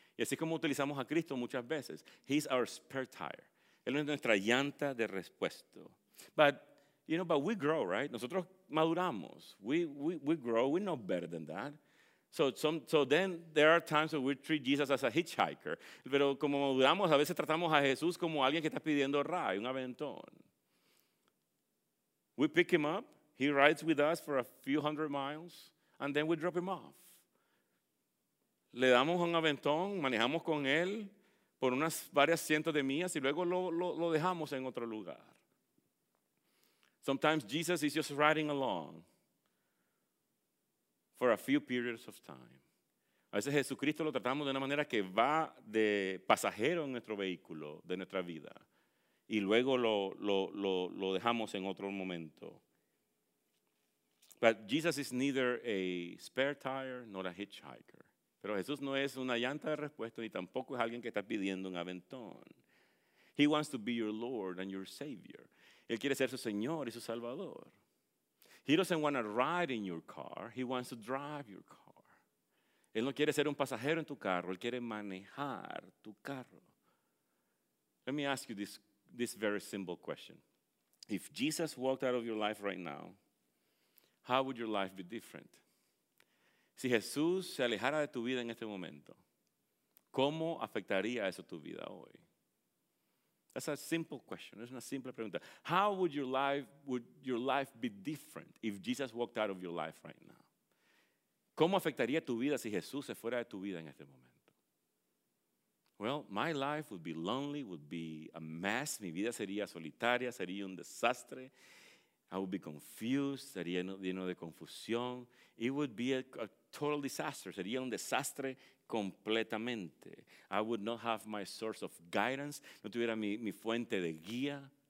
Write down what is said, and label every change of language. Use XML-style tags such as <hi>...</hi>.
<es>Y así como utilizamos a Cristo muchas veces.</es> <en>He's our spare tire.</en> <es>Él es nuestra llanta de repuesto.</es> <en>But, you know, but we grow, right?</en> <es>Nosotros maduramos.</es> <en>We grow. We know better than that. So then there are times when we treat Jesus as a hitchhiker.</en> <es>Pero como maduramos, a veces tratamos a Jesús como alguien que está pidiendo ride, un aventón.</es> <en>We pick him up, he rides with us for a few hundred miles, and then we drop him off.</en> <es>Le damos un aventón, manejamos con él por unas varias cientos de millas y luego lo dejamos en otro lugar.</es> <en>Sometimes Jesus is just riding along for a few periods of time.</en> <es>A veces Jesucristo lo tratamos de una manera que va de pasajero en nuestro vehículo, de nuestra vida, y luego lo dejamos en otro momento.</es> <en>But Jesus is neither a spare tire nor a hitchhiker.</en> <es>Pero Jesús no es una llanta de repuesto ni tampoco es alguien que está pidiendo un aventón.</es> <en>He wants to be your Lord and your Savior.</en> <es>Él quiere ser su Señor y su Salvador.</es> <en>He doesn't want to ride in your car. He wants to drive your car.</en> <es>Él no quiere ser un pasajero en tu carro. Él quiere manejar tu carro.</es> <en>Let me ask you this very simple question. If Jesus walked out of your life right now, how would your life be different?</en> <es>Si Jesús se alejara de tu vida en este momento, ¿cómo afectaría eso tu vida hoy?</es> <en>That's a simple question.</en> <es>Es una simple pregunta.</es> <en>How would your life be different if Jesus walked out of your life right now?</en> <es>¿Cómo afectaría tu vida si Jesús se fuera de tu vida en este momento?</es> <en>Well, my life would be lonely, would be a mess.</en> <es>Mi vida sería solitaria, sería un desastre.</es> <en>I would be confused,</en> <es>sería lleno de confusión.</es> <en>It would be a total disaster.</en> <es>Sería un desastre completamente.</es> <en>I would not have my source of guidance.</en> <es>No tuviera mi fuente de guía.</es>